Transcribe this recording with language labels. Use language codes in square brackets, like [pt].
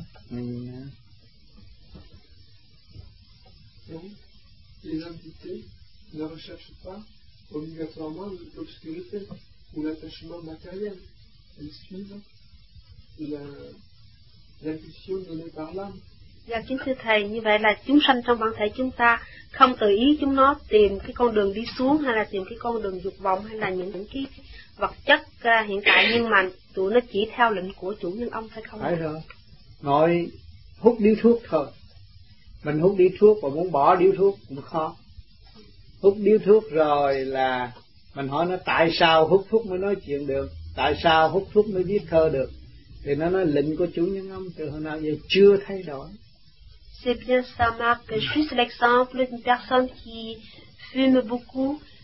[fr] Les entités ne recherchent pas obligatoirement l'obscurité ou l'attachement matériel. Elles suivent l'intuition donnée par l'âme. [vi] Dạ kính thưa thầy, như vậy là chúng sanh trong bản thể chúng ta không tự ý chúng nó tìm cái con đường đi xuống hay là tìm cái con đường dục vọng hay là những cái vật chất hiện tại, nhưng mà tụi nó chỉ theo lệnh của chủ nhân ông phải không? Phải rồi. Nói hút điếu thuốc thôi. Mình hút điếu thuốc và muốn bỏ điếu thuốc cũng khó. Hút điếu thuốc rồi là mình hỏi nó tại sao hút thuốc mới nói chuyện được, tại sao hút thuốc mới viết thơ được. Thì nó nói lệnh của chủ nhân ông từ hồi nào giờ chưa thay đổi. [fr] C'est bien ça, Marc. Juste l'exemple d'une personne qui fume beaucoup.